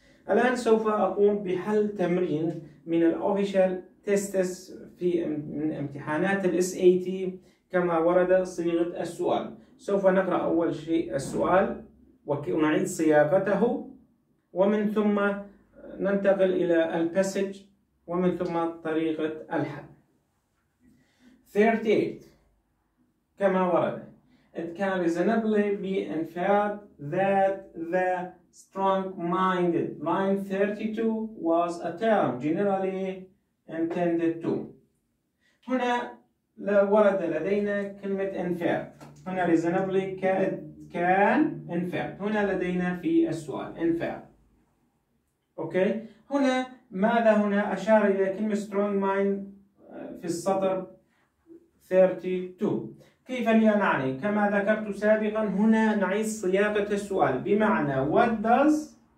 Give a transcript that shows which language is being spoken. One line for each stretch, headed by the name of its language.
Arabic: الآن سوف أقوم بحل تمرين من الأوفيشال تيستس في من امتحانات الـ SAT كما ورد صيغة السؤال. سوف نقرأ أول شيء السؤال ونعيد صياغته، ومن ثم ننتقل إلى الباسج، ومن ثم طريقة الحل.
English: 38
Arabic: كما ورد
English: It can reasonably be inferred that the strong-minded line 32 was a term generally intended to.
Arabic: هنا ورد لدينا كلمة inferred، هنا
English: reasonably can infer،
Arabic: هنا لدينا في السؤال infer. اوكي، هنا ماذا هنا اشار الى كلمة strong mind في السطر 32، كيف لي ان اعني؟ كما ذكرت سابقا هنا نعيد صياغة السؤال بمعنى
English: what does.